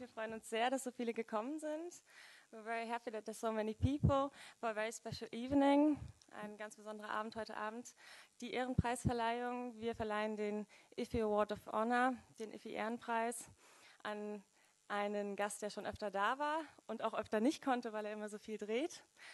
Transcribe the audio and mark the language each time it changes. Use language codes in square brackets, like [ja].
[de] Wir freuen uns sehr, dass so viele gekommen sind. [en] We're very happy that there's so many people for a very special evening. [de] Ein ganz besonderer Abend heute Abend. Die Ehrenpreisverleihung. Wir verleihen den IFFI Award of Honor, den IFFI Ehrenpreis, an einen Gast, der schon öfter da war und auch öfter nicht konnte, weil er immer so viel dreht.